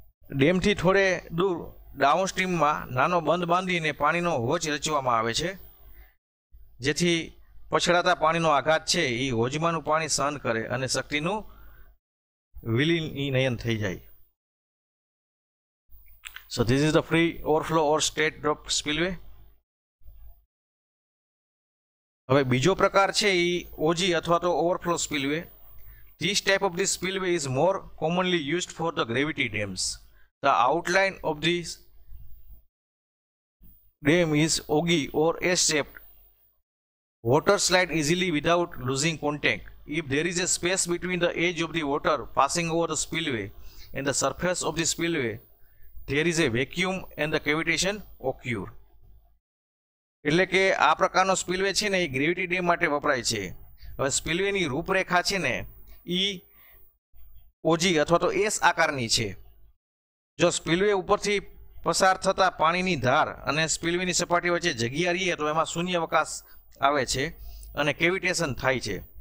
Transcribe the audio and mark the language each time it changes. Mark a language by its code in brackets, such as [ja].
[gu] ડેમથી થોડે દૂર ડાઉનસ્ટ્રીમમાં નાનો બંધ બાંધીને પાણીનો હોજ રચવામાં આવે છે જેથી પછડાતા પાણીનો આઘાત છે એ હોજમાંનું પાણી સહન કરે અને શક્તિનું વિલીનયન થઈ જાય. [en] So this is the free overflow or straight drop spillway. [gu] હવે બીજો પ્રકાર છે એ ઓજી અથવા તો overflow સ્પીલવે. [en] This type of the spillway is more commonly used for the gravity dams. The outline of this dam is oggy or S-shaped. Water slide easily without losing contact. If there is a space between the edge of the water passing over the spillway and the surface of the spillway, there is a vacuum and the cavitation occur. [gu] એટલે કે આ પ્રકારનો સ્પિલવે છે ને એ gravity dam માટે વપરાય છે. હવે સ્પિલવેની રૂપરેખા છે ને એ ઓજી અથવા તો એસ આકારની છે. જો સ્પિલવે ઉપરથી પસાર થતા પાણીની ધાર અને સ્પિલવેની સપાટી વચ્ચે જગ્યા રહીએ તો એમાં શૂન્યાવકાશ આવે છે અને કેવિટેશન થાય છે.